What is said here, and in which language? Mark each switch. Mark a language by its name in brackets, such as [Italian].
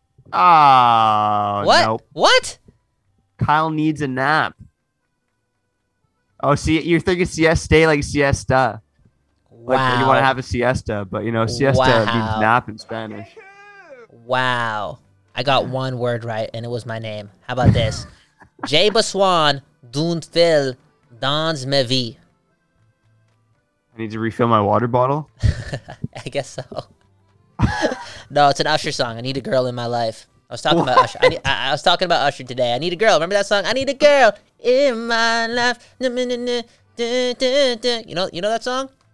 [English] What? Kyle needs a nap. Oh, see, you're thinking siesta like siesta. Wow. Like you want to have a siesta, but you know, siesta means nap in Spanish. Wow. I got one word right, and it was my name. How about this? [French] J'ai besoin d'un fil dans ma vie. [English] I need to refill my water bottle? I guess so. No, it's an Usher song. I need a girl in my life. I was talking about Usher today. I need a girl. Remember that song? I need a girl in my life. You know that song?